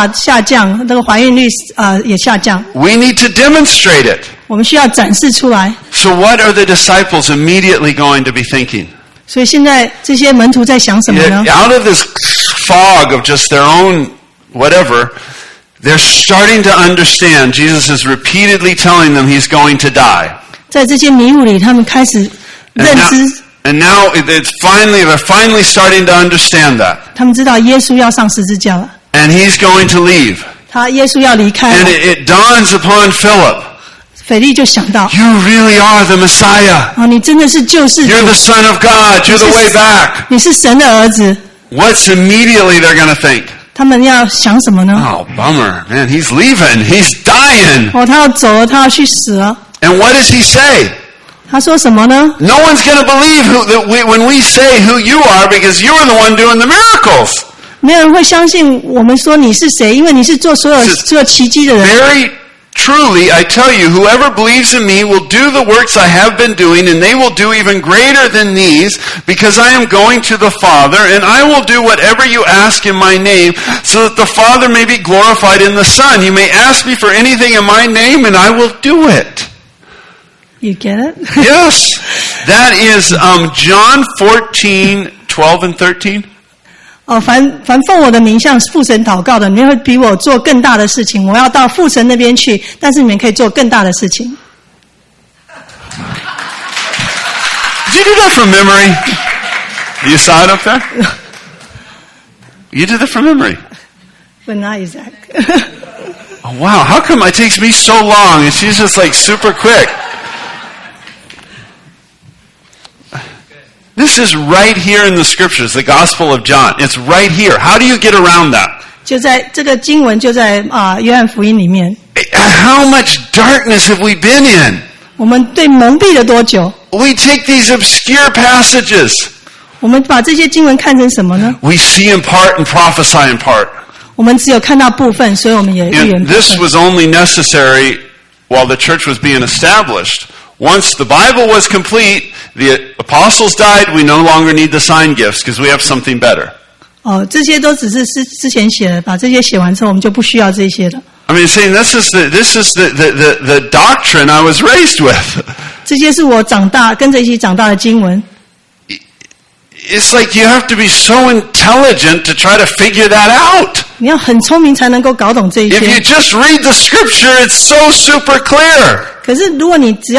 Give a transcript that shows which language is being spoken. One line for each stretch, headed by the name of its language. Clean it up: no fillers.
Chinese: 他喜欢这个犯罪率下降，那个怀孕率也下降。
English: We need to demonstrate it.
Chinese: 我们需要展示出来。
English: So what are the disciples immediately going to be thinking?
Chinese: 所以现在这些门徒在想什么呢？
English: Out of this fog of just their own whatever, they're starting to understand Jesus is repeatedly telling them he's going to die.
Chinese: 在这些迷雾里，他们开始认知。
English: And now it's finally they're finally starting to understand that.
Chinese: 他们知道耶稣要上十字架了。
English: And he's going to leave.
Chinese: 他耶稣要离开了。
English: And it dawns upon Philip.
Chinese: 腓力就想到,
English: you really are the Messiah.
Chinese: 哦，你真的是救世主。
English: You're the Son of God. You're the way back.
Chinese: 你是神的儿子。
English: What's immediately they're going to think?
Chinese: 他们要想什么呢?
English: Oh, bummer, man. He's leaving. He's dying.
Chinese: 哦，他要走了，他要去死了。
English: And what does he say?
Chinese: 他说什么呢?
English: No one's going to believe when we say who you are because you're the one doing the miracles.
Chinese: 没有人会相信我们说你是谁，因为你是做所有奇迹的人。
English: Very truly, I tell you, whoever believes in me will do the works I have been doing, and they will do even greater than these because I am going to the Father, and I will do whatever you ask in my name so that the Father may be glorified in the Son. You may ask me for anything in my name, and I will do it. You get it? Yes. That is John 14, 12 and 13.
Chinese: 凡奉我的名向父神祷告的 你们会比我做更大的事情 我要到父神那边去 但是你们可以做更大的事情
English: Did you do that from memory? You saw it up there? You did that from memory? But not Isaac. Oh, wow, how come it takes me so long and she's just like super quick? This is right here in the scriptures, the Gospel of John. It's right here. How do you get around that?
Chinese: 就在这个经文就在 约翰福音里面
English: How much darkness have we been in?
Chinese: 我们被蒙蔽了多久?
English: We take these obscure passages.
Chinese: 我们把这些经文看成什么呢?
English: We see in part and prophesy in part.
Chinese: 我们只有看到部分,
English: this was only necessary while the church was being established. Once the Bible was complete, the apostles died, we no longer need the sign gifts because we have something better.
Chinese: 哦, 这些都只是之前写的,
English: I mean, saying this is the doctrine I was raised with.
Chinese: 这些是我长大,
English: it's like you have to be so intelligent to try to figure that out. If you just read the scripture, it's so super clear.